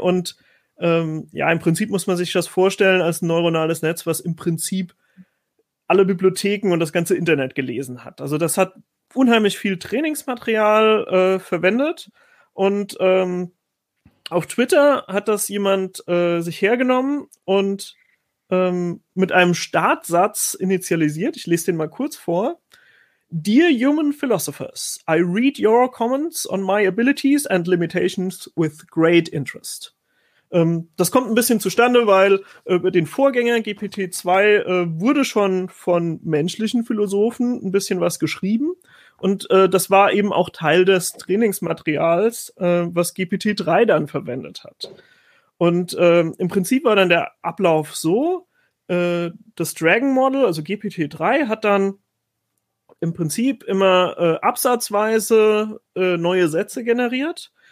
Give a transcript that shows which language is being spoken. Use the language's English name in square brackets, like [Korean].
[German] Und im Prinzip muss man sich das vorstellen als neuronales Netz, was im Prinzip alle Bibliotheken und das ganze Internet gelesen hat. Also das hat unheimlich viel Trainingsmaterial verwendet. Und auf Twitter hat das jemand sich hergenommen und mit einem Startsatz initialisiert. Ich lese den mal kurz vor. [English] Dear human philosophers, I read your comments on my abilities and limitations with great interest. [German] Das kommt ein bisschen zustande, weil den Vorgänger GPT-2 wurde schon von menschlichen Philosophen ein bisschen was geschrieben. Und das war eben auch Teil des Trainingsmaterials, was GPT-3 dann verwendet hat. Und im Prinzip war dann der Ablauf so, das Dragon Model, also GPT-3, hat dann im Prinzip immer absatzweise neue Sätze generiert.